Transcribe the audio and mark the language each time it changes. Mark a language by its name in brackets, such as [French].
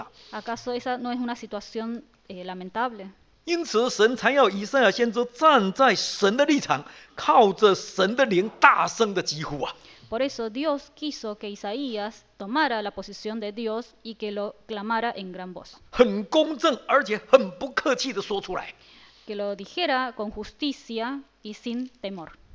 [Spanish] ¿Acaso esa no es una situación lamentable? [Chinese] 因此神才要以赛亚先知站在神的立场，靠着神的灵大声的疾呼啊！ [Spanish] Por eso Dios quiso que Isaías tomara la posición de Dios y que lo clamara en gran voz. [Chinese] 很公正而且很不客气地说出来。 [Spanish] Que lo dijera con justicia y sin temor.